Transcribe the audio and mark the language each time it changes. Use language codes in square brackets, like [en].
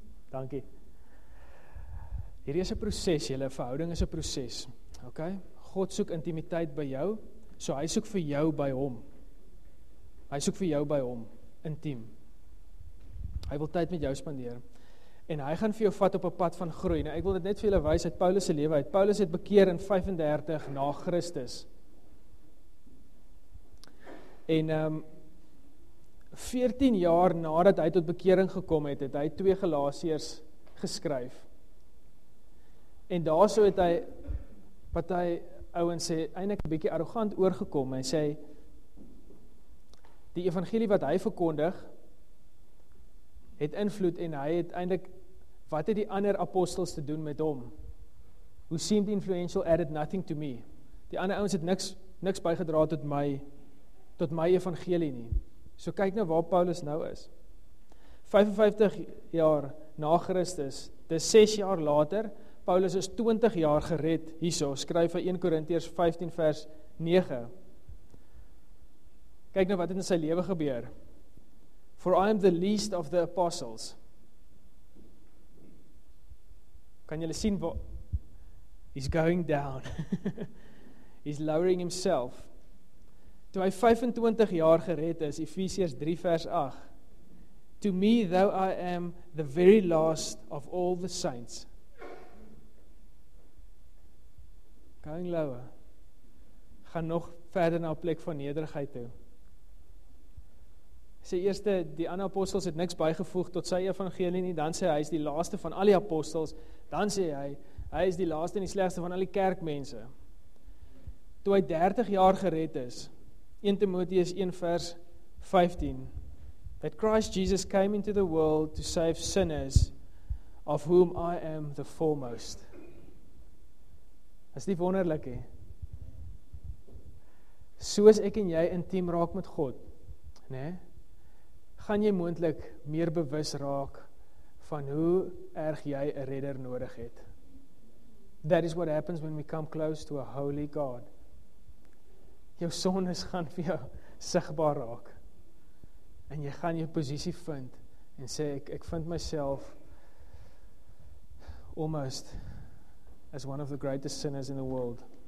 [af] Dankie. Hierdie is 'n proses, julle verhouding is 'n proses. OK? God soek intimiteit by jou, so hy soek vir jou by hom. Hy soek vir jou by hom, intiem. Hy wil tyd met jou spandeer. En hy gaan vir jou vat op 'n pad van groei. Nou, ek wil dit net vir julle wys uit Paulus se lewe uit. Paulus het bekeer in 35 na Christus. En 14 jaar nadat hy tot bekering gekom het, het hy 2 Galasiërs geskryf. En daarso het hy, wat hy ouens sê, eintlik 'n bietjie arrogant oorgekom. Hy sê, die evangelie wat hy verkondig, het invloed en hy het eintlik, wat het die ander apostels te doen met hom? [en] Who seemed influential added nothing to me. [af] Die ander ouens het niks bygedra tot my evangelie nie. So kyk nou waar Paulus nou is. 55 jaar na Christus, dis 6 jaar later, Paulus is 20 jaar gered, hierso, skryf hy 1 Korintiërs 15 vers 9. Kyk nou wat het in sy lewe gebeur. [en] For I am the least of the apostles. [af] Kan julle sien wat? [en] He's going down. He's lowering himself. [af] Toe hy 25 jaar gered is, Efesiërs 3 vers 8. [en] To me though I am the very last of all the saints. Going lower. [af] Gaan nog verder na 'n plek van nederigheid toe. Sê eerste, die ander apostels het niks bygevoeg tot sy evangelie nie, dan sê hy is die laaste van al die apostels, dan sê hy is die laaste en die slegste van al die kerkmense. Toe hy 30 jaar gered is, 1 Timoteus 1 vers 15, [en] that Christ Jesus came into the world to save sinners, of whom I am the foremost. [af] Is nie wonderlik hè? Soos ek en jy intiem raak met God, né? Nee? Gaan jy moontlik meer bewus raak van hoe erg jy 'n redder nodig het. [en] That is what happens when we come close to a holy God. [af] Jou sondes gaan vir jou sigbaar raak. En jy gaan jou posisie vind en sê ek vind myself [en] almost as one of the greatest sinners in the world.